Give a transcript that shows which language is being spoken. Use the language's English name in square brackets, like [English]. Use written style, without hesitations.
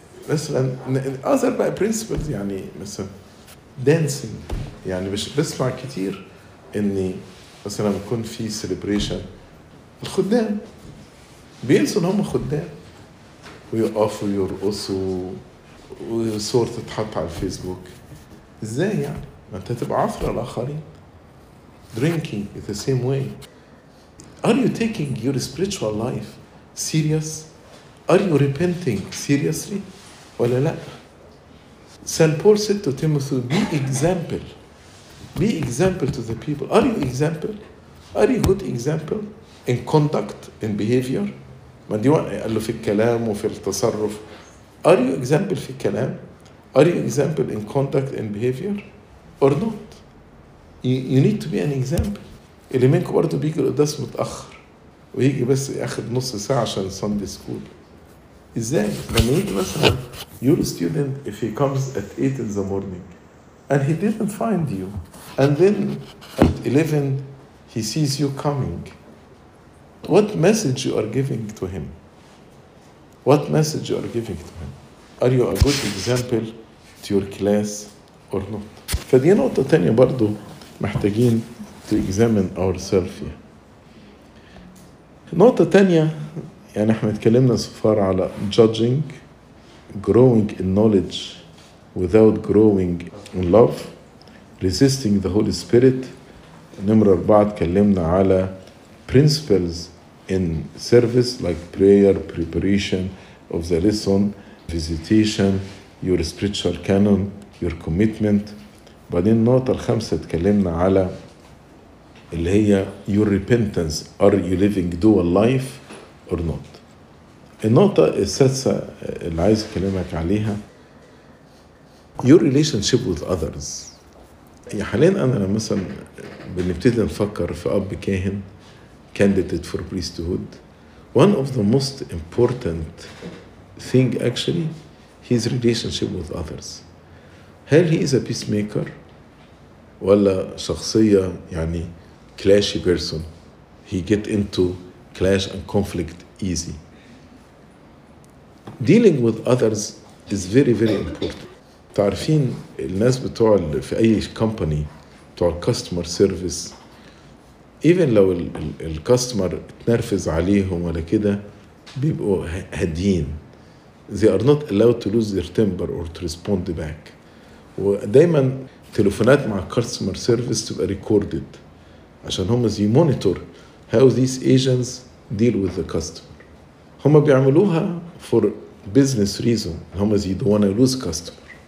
[Arabic] مثلا [English] other principles [Arabic] يعني مثلا dancing يعني بسمع كتير اني مثلا يكون في celebration الخدام بينسوا ان هم خدام ويقفوا يرقصوا وصور تتحط على الفيسبوك ازاي يعني ما انت تبقى عفرة الاخرين [English] drinking in the same way are you taking your spiritual life serious are you repenting seriously [Arabic] ولا لا [English] St. Paul said to Timothy, be example. Be example to the people. Are you example? Are you good example in conduct, in behavior? But do you want to say [Arabic] في الكلام وفي التصرف? [English] Are you example [Arabic] في الكلام? [English] Are you example in conduct and behavior? Or not? You need to be an example. [Arabic] اللي منك برضو بيجي القداس متأخر ويجي بس ياخد نص ساعة عشان Sunday school. إزاي؟ لما يجي مثلا [English] your student if he comes at 8 in the morning and he didn't find you and then at 11 he sees you coming what message you are giving to him? What message you are giving to him? Are you a good example to your class or not? [Arabic] فدي نقطة تانية برضو محتاجين [English] to examine ourselves [Arabic] نقطة تانية يعني احنا اتكلمنا سفار على [English] judging growing in knowledge without growing in love resisting the Holy Spirit [Arabic] نمرة 4 اتكلمنا على principles [English] in service, like prayer, preparation of the lesson, visitation, your spiritual canon, your commitment. [Arabic] بعدين النقطة الخامسة تكلمنا على اللي هي [English] your repentance. Are you living dual life or not? [Arabic] النقطة السادسة اللي عايز أكلمك عليها [English] your relationship with others. [Arabic] يعني حاليا أنا مثلا بنبتدي نفكر في أب كاهن [English] candidate for priesthood. One of the most important thing actually his relationship with others. [Arabic] هل [English] he is a peacemaker [Arabic] ولا شخصية يعني [English] clashy person, he get into clash and conflict easy. Dealing with others is very, very important. [Arabic] تعرفين الناس بتوع في أي company, بتوع customer service, even لو ال customer تنرفز عليهم ولا كده, بيبقوا هادين. [English] They are not allowed to lose their temper or to respond back. [Arabic] ودايما تلفونات مع customer service تبقى recorded عشان هم زي monitor [English] how these agents deal with the customer. [Arabic] هم بيعملوها [English] for business reason. [Arabic] هم زي [English] don't want to lose customer.